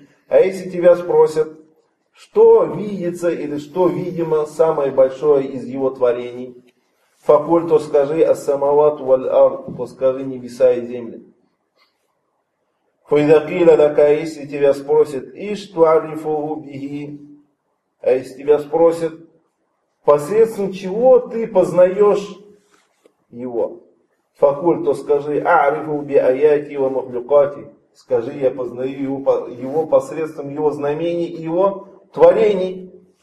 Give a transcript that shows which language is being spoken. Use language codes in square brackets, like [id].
[ru] А если тебя спросят, что видится или что видимо самое большое из его творений, فَقُلْ, то скажи [ar] أَسَّمَوَاتُ وَالْأَرْضُ, [ru] то скажи небеса и земли. [ar] فَإِذَا قِيلَ لَكَ, [ru] если тебя спросят, [ar] إِشْ تُعَرِّفُهُ بِهِ. [ru] А если тебя спросят, посредством чего ты познаешь его? [ar] Факуль, [ru] то скажи, [ar] арифу би аяти ва махлюкати. [ru] Скажи, я познаю его посредством его знамений и его творений.